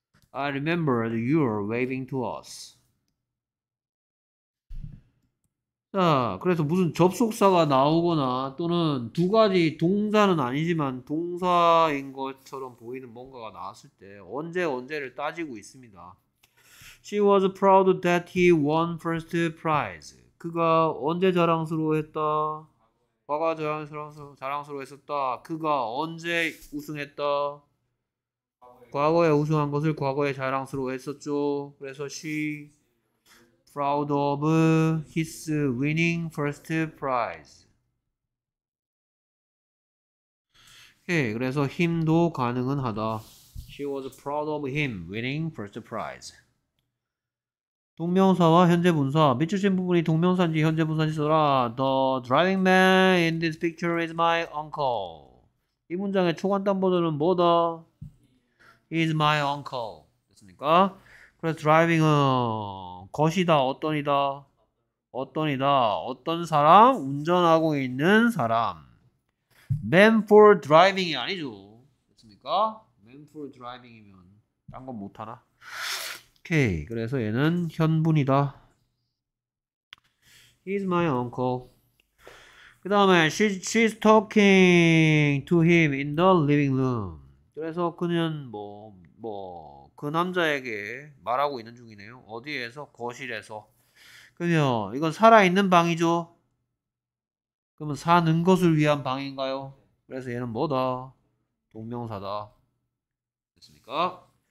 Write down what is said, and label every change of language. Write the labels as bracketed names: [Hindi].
[English] I remember you were waving to us. [Korean] 자, 그래서 무슨 접속사가 나오거나 또는 두 가지 동사는 아니지만 동사인 것처럼 보이는 뭔가가 나왔을 때 언제 언제를 따지고 있습니다. [English] She was proud that he won first prize. [Korean] 그가 언제 자랑스러워했다? 과거 자랑스러워했었다. 그가 언제 우승했다? 과거에 우승한 것을 과거에 자랑스러워했었죠. 그래서 [English] she proud of his winning first prize. [Korean] 예, 그래서 him도 가능은 하다. [English] She was proud of him winning first prize. [Korean] 동명사와 현재 분사. 밑줄신 부분이 동명사인지 현재 분사인지 써라. [English] The driving man in this picture is my uncle. [Korean] 이 문장의 초간단 버전은 뭐다? [English] Is my uncle. [Korean] 됐습니까? 그래서 driving은 것이다, 어떤이다? 어떤이다. 어떤 사람? 운전하고 있는 사람. [English] Man for driving [Korean] 이 아니죠. 됐습니까? [English] Man for driving [Korean] 이면 딴 건 못하나? 오케이, 그래서 얘는 현분이다. [English] He's my uncle. [Korean] 그 다음에 [English] she's talking to him in the living room. [Korean] 그래서 그는 그 남자에게 말하고 있는 중이네요. 어디에서? 거실에서. 그러면 이건 살아있는 방이죠? 그러면 사는 것을 위한 방인가요? 그래서 얘는 뭐다? 동명사다. 됐습니까?